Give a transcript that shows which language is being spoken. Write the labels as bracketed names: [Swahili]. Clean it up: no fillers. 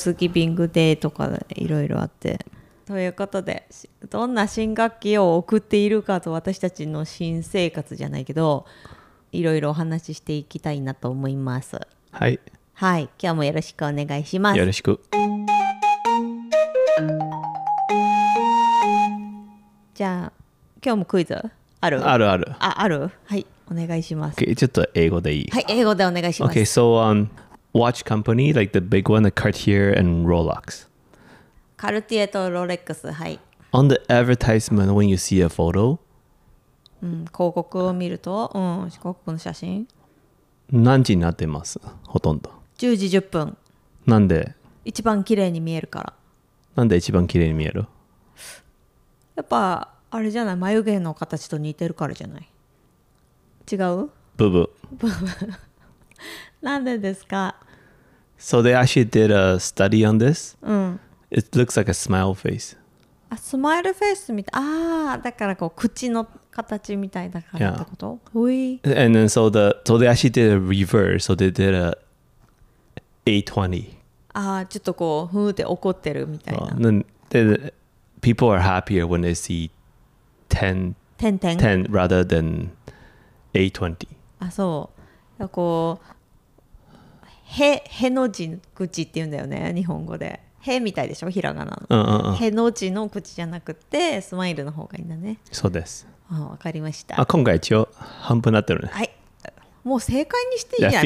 [Japanese] サンクスギビングデーとかいろいろあって。ということで、どんな新学期を送っているかと、私たちの新生活じゃないけど、いろいろお話ししていきたいなと思います。はいはい、今日もよろしくお願いします。よろしく。じゃあ今日もクイズある？あるある。あ、ある。はい、お願いします。 okay, ちょっと英語でいい？はい、英語でお願いします。 [English] Okay, so watch company, like the big one, the Cartier and Rolex. [Japanese] カルティエとロレックス、はい。 [English] On the advertisement, when you see a photo? [Japanese] うん、広告を見ると、うん、広告の写真。何時になってます、ほとんど。 10時10分。なんで？一番綺麗に見えるから。なんで一番綺麗に見える？やっぱ、あれじゃない、眉毛の形と似てるからじゃない。違う？ブブ。ブブ。なんでですか？ [English] So they actually did a study on this? うん。 It looks like a smile face. [Japanese] あ、スマイルフェイスみたい。ああ、だからこう口の形みたいだからってこと。はい。 [English] And then so they actually did a reverse. So they did a 820. [Japanese] ああ、ちょっとこうふうって怒ってるみたいな。 [English] Then people are happier when they see 10 rather than 820. [Japanese] あ、そう。だからこうへの字口って言うんだよね、日本語で。へみたいでしょ、ひらがなの。うんうんうん、への字の口じゃなくてスマイルの方がいいんだね。そうです。わかりました。あ、今回一応半分になってるね。はい、もう正解にしていいやん。